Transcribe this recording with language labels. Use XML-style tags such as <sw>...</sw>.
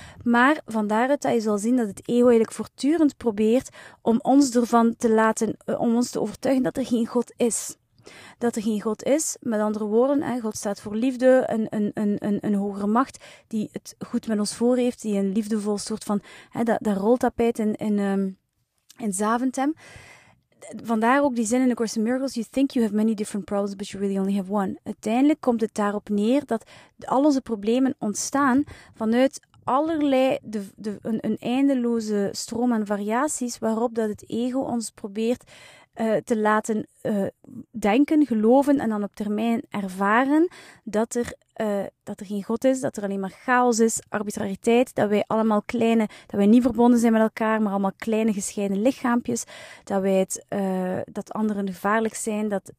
<nl>Maar van daaruit dat je zal zien dat het ego eigenlijk voortdurend probeert om ons ervan te laten, om ons te overtuigen dat er geen God is. Dat er geen God is, met andere woorden, hè, God staat voor liefde, een hogere macht die het goed met ons voor heeft, die een liefdevol soort van, hè, dat roltapijt in Zaventem. Vandaar ook die zin in</nl> <en>A Course in Miracles, you think you have many different problems, but you really only have one.</en> <nl>Uiteindelijk komt het daarop neer dat al onze problemen ontstaan vanuit allerlei, een eindeloze stroom aan variaties waarop dat het ego ons probeert te laten denken, geloven en dan op termijn ervaren dat er geen God is, dat er alleen maar chaos is, arbitrariteit, dat wij allemaal kleine, dat wij niet verbonden zijn met elkaar, maar allemaal kleine gescheiden lichaampjes, dat wij dat anderen gevaarlijk zijn,</nl>